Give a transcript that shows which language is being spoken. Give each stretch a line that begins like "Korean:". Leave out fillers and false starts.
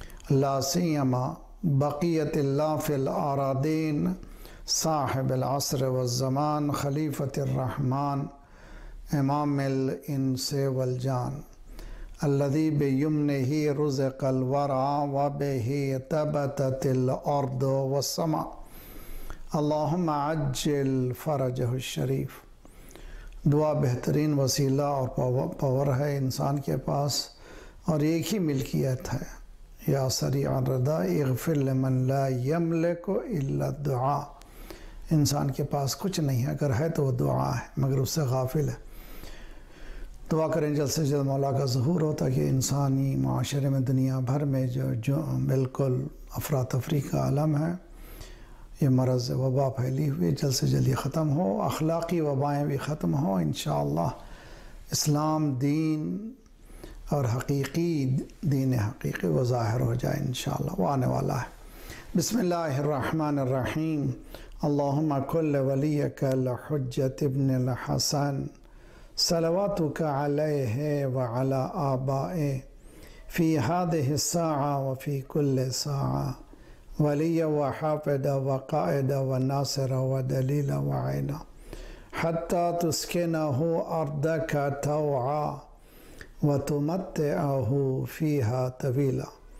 Arabic: لا سيما بقية الله في الأراضين صاحب العصر والزمان خليفة الرحمن إمام الإنس والجان الذي بيمنه رزق الورى وبه ثبتت الأرض والسماء اللهم عجل فرجه الشریف.
Urdu: دعا بہترین وسیلہ اور پاور ہے انسان کے پاس, اور ایک ہی ملکیت ہے.
Arabic: یا سریع الرضا اغفر لمن لا یملک الا الدعاء.
Urdu: انسان کے پاس کچھ نہیں ہے, اگر ہے تو وہ دعا ہے مگر اس سے غافل ہے. دعا کریں جلد سے جلد مولا کا ظہور ہو تاکہ انسانی معاشرے میں, دنیا بھر میں جو بالکل افراتفری کا عالم ہے, یہ مرض وبا پھیلی ہوئی, جلد سے جلد یہ ختم ہو, اخلاقی وبائیں بھی ختم ہوں انشاءاللہ. اسلام دین اور حقیقی دین حقیقی وہ ظاہر ہو جائے انشاءاللہ, وہ آنے والا ہے.
Arabic: بسم اللہ الرحمن الرحیم. اللہم کل ولیک لحجت ابن الحسن صلواتک علیہ وعلی آبائے فی هذه الساعة وفی کل ساعة ولي وحافظ وقائد وناصر ودليل وعين حتى تسكنه أرضك توعا وتمتعه فيها طويلا.